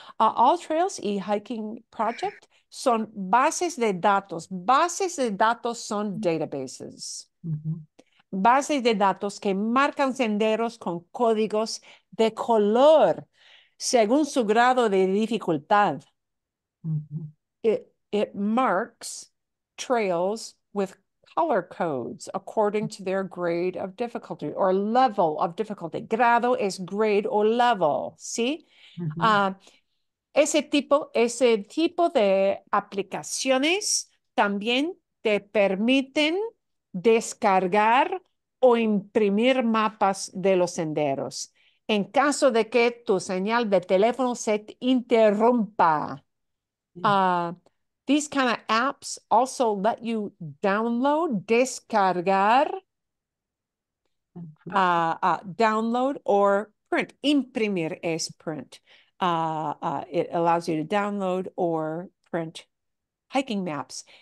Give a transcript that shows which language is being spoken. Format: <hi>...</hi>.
<es>All Trails y Hiking Project son bases de datos. Bases de datos son databases. Mm-hmm. Bases de datos que marcan senderos con códigos de color según su grado de dificultad. Mm-hmm.</es> <en>It marks trails with color codes according to their grade of difficulty or level of difficulty.</en> <es>Grado es grade o level, ¿sí? Mm-hmm. Ese tipo de aplicaciones también te permiten descargar o imprimir mapas de los senderos en caso de que tu señal de teléfono se te interrumpa.</es> <en>These kind of apps also let you download, descargar, download or print.</en> <es>Imprimir es</es> <en>print. It allows you to download or print hiking maps.</en>